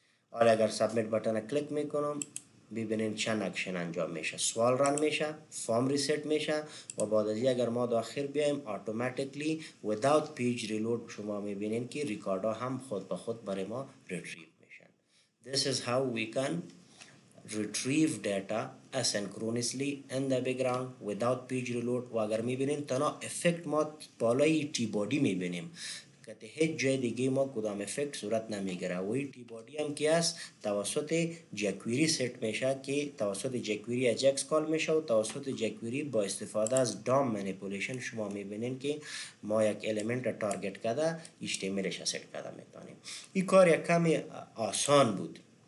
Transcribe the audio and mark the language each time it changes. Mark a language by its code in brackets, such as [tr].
[fa] حالا اگر سبمیت بٹن کلک میکنم ببینین چند اکشن انجام میشه. سوال ران میشه، فارم ریسیت میشه و بعد از اگر ما داخل بیایم اوتوماتیکلی وداوت پیج ریلود شما میبینین که ریکارد ها هم خود به خود برای ما ریتریو میشن. [en] This is how we can retrieve data asynchronously in the background without page reload. [fa] و اگر میبینین تنها افکت ما بالای تی باڈی میبینیم کته هیچ جای دیگه ما کدام افکت صورت نمیگیره. وی تی باڈی هم که است توسط جکویری سیت میشه که توسط جکویری اجکس کال میشه و توسط جکویری با استفاده از دام منیپولیشن شما میبینین که ما یک الیمنت تارگیت کده اشتیمیلش سیت کده میتونیم. این کار یک کمی آسان بود